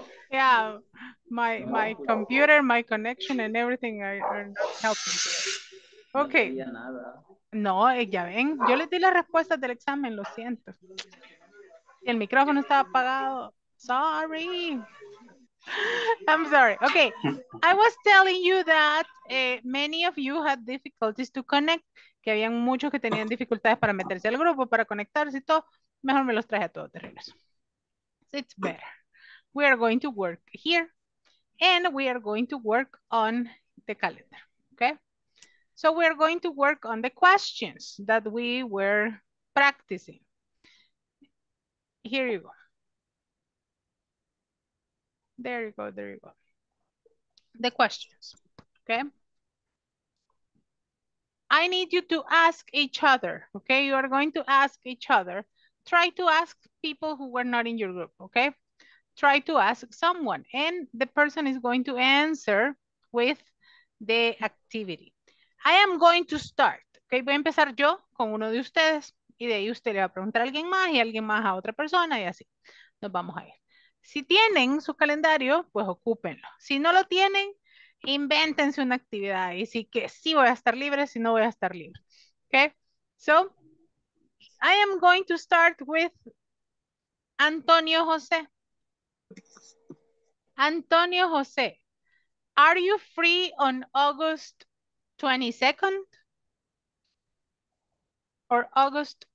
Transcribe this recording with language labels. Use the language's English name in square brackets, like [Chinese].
[English] Yeah, my computer, my connection and everything are not helping. Okay. [Spanish] No, ya ven, yo les di las respuestas del examen, lo siento. El micrófono estaba apagado. [English] Sorry. I'm sorry. [Spanish] Okay. [English] I was telling you that many of you had difficulties to connect. [Spanish] Que habían muchos que tenían dificultades para meterse al grupo, para conectarse y todo. Mejor me los traje a todo terreno. [English] It's better. We are going to work here. And we are going to work on the calendar. Okay. So we're going to work on the questions that we were practicing. Here you go. There you go, there you go. The questions, okay? I need you to ask each other, okay? You are going to ask each other. Try to ask people who were not in your group, okay? Try to ask someone, and the person is going to answer with the activity. I am going to start, okay? [Spanish] Voy a empezar yo con uno de ustedes, y de ahí usted le va a preguntar a alguien más, y alguien más a otra persona, y así. Nos vamos a ir. Si tienen su calendario, pues ocúpenlo. Si no lo tienen, invéntense una actividad y sí que sí voy a estar libre, si no voy a estar libre. [English] Okay, so I am going to start with Antonio José. Antonio José, are you free on August 22nd or August